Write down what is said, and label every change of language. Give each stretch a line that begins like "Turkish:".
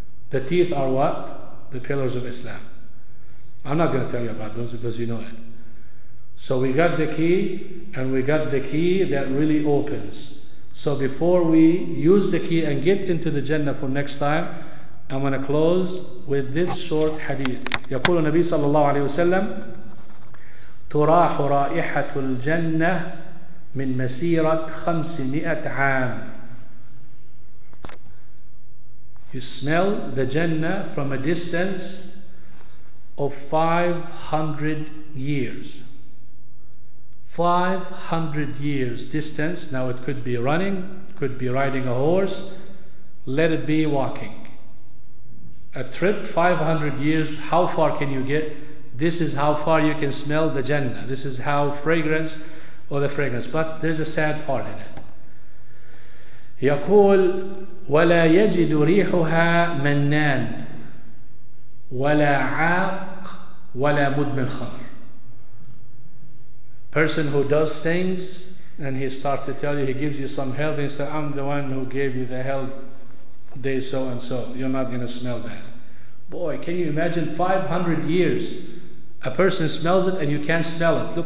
English: The teeth are what? The pillars of Islam. I'm not going to tell you about those because you know it. So we got the key, and we got the key that really opens. So before we use the key and get into the Jannah for next time, I'm going to close with this short hadith.
Arabic: يقول النبي صلى الله عليه وسلم تراح رائحة الجنة من مسيرة 500 عام.
English: You smell the Jannah from a distance of 500 years. 500 years distance. Now it could be running, could be riding a horse, let it be walking. A trip 500 years, how far can you get This is how far you can smell the Jannah. This is how fragrance or the fragrance. But there's a sad part in it.
Arabic: يقول ولا يجد ريحها منان ولا عاق ولا مدمن خمر.
English: Person who does things and he starts to tell you, he gives you some health, and he says, I'm the one who gave you the health day so and so, you're not going to smell that. Boy, can you imagine 500 years a person smells it and you can't smell it?